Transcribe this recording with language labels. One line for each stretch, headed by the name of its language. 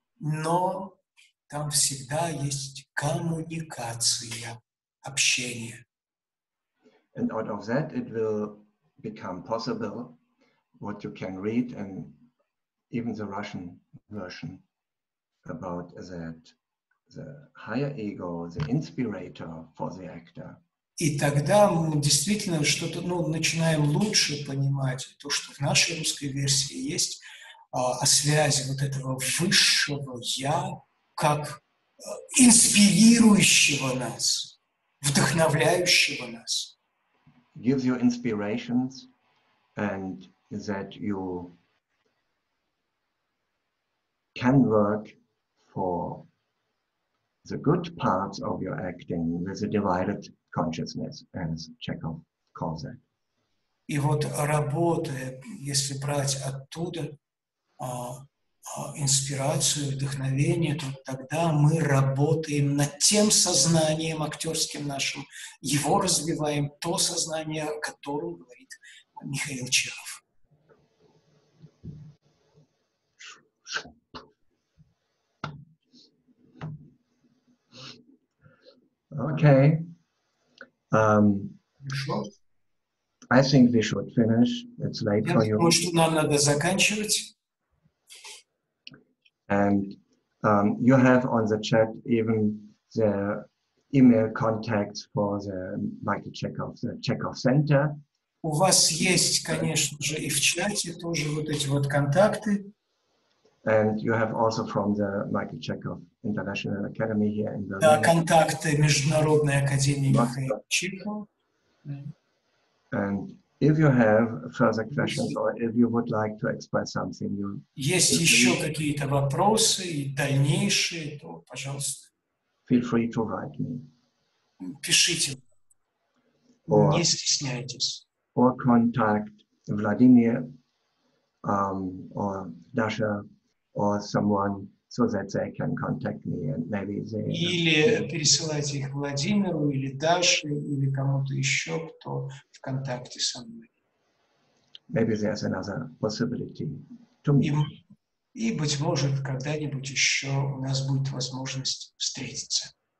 Russian: Но там всегда есть коммуникация, общение.
English: And out of that it will become possible what you can read and even the Russian version about that the higher ego, the inspirator for the actor.
Russian: И тогда мы действительно что-то, ну, начинаем лучше понимать то, что в нашей русской версии есть о связи вот этого высшего «я» как инспирирующего нас, вдохновляющего нас.
English: Gives you inspirations and that you can work for the good parts of your acting with a divided consciousness, as Chekhov calls it.
Russian: И вот работа, если брать оттуда инспирацию, вдохновение, то тогда мы работаем над тем сознанием актерским нашим, его развиваем, то сознание, о котором говорит Михаил Чехов.
English: Okay. Sure. I think we should finish. It's late for you.
Russian: Что нам надо заканчивать.
English: And you have on the chat even the email contacts for the Michael Chekhov, the Chekhov Center.
Russian: У вас есть, конечно же, и в чате тоже вот эти вот контакты.
English: And you have also from the Michael Chekhov International Academy here in Berlin.
Russian: Да, контакты Международной Академии Михаила Чехова.
English: And if you have further questions or if you would like to express something, you...
Russian: Есть еще какие-то вопросы и дальнейшие, то, пожалуйста.
English: Feel free to write me.
Russian: Пишите. Не стесняйтесь.
English: Or contact Vladimir or Dasha. Or someone so that they can contact me and maybe they.
Russian: Или пересылайте их Владимиру или Даше или кому-то еще, кто в контакте со мной.
English: Maybe there's another possibility to meet.
Russian: И быть может, когда-нибудь еще у нас будет возможность встретиться.